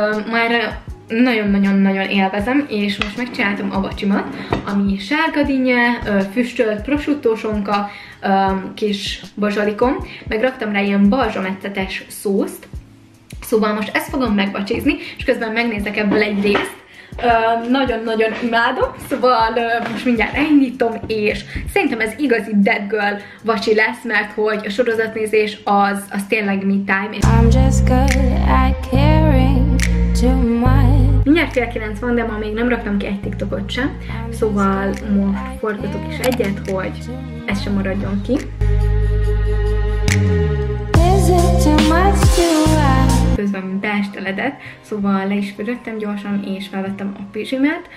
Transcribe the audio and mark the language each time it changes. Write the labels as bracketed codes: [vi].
[hu] már nagyon-nagyon-nagyon élvezem, és most megcsináltam a vacsimat, ami sárgadinnye, füstölt prosuttósonka, kis bazsalikom, meg raktam rá ilyen balzsamecetes szószt, szóval most ezt fogom megvacsizni, és közben megnézek ebből egy részt. Nagyon-nagyon imádom, szóval most mindjárt elindítom, és szerintem ez igazi dead girl vacsi lesz, mert hogy a sorozatnézés az tényleg me time. [en] I'm just good at caring too much. [hu] Mindjárt 9 van, de ma még nem raktam ki egy TikTokot sem, szóval most forgatok is egyet, hogy ez sem maradjon ki. [en] Is it too much to [hu] közben beesteledett, szóval le is fürödtem gyorsan, és felvettem a pizsimet.